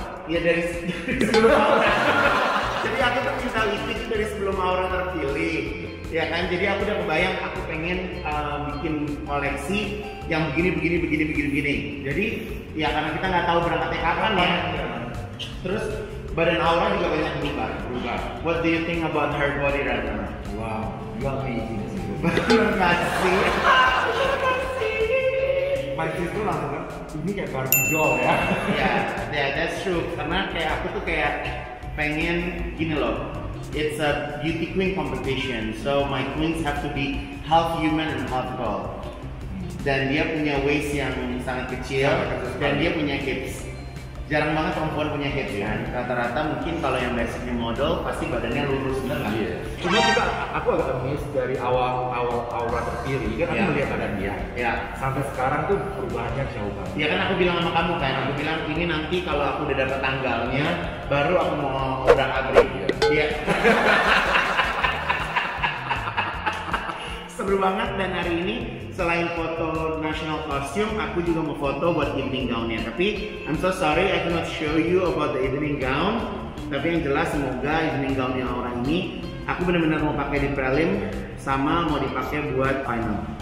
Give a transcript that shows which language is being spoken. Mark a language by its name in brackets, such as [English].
[Indonesian] Iya, dari sebelum Aura. Jadi aku tuh minta listrik dari sebelum Aura terpilih. Ya kan, jadi aku udah kebayang aku pengen bikin koleksi yang begini. Jadi ya karena kita nggak tahu berangkatnya kapan, ya. Terus badan Aura juga banyak berubah. [English] What do you think about her body right now? Wow, you are amazing. [Indonesian] Terima kasih. [English] My sister [Indonesian] langsung kan, ini kayak Barbie doll, ya. [English] Yeah, that's true. [Indonesian] Karena kayak aku tuh kayak pengen gini loh. [English] It's a beauty queen competition, so my queens have to be half human and half doll. [Indonesian] Dan dia punya waist yang sangat kecil, dan dia punya hips. jarang banget perempuan punya hips kan. Rata-rata mungkin kalau yang basicnya model pasti badannya lurus banget. Iya. [English] Yeah. [Indonesian] Cuma juga aku agak amazed dari awal terpilih kan aku melihat badan dia. Iya. Sampai sekarang tuh perubahannya jauh banget. Iya kan aku bilang sama kamu kan, aku bilang ini nanti kalau aku udah dapat tanggalnya baru aku mau udah upgrade dia. Iya. Seru banget dan hari ini selain foto national costume, aku juga mau foto buat evening gownnya. [English] Tapi I'm so sorry, I cannot show you about the evening gown. [Indonesian] Tapi yang jelas semoga evening gownnya Laura ini aku benar-benar mau pakai di prelim sama mau dipakai buat final.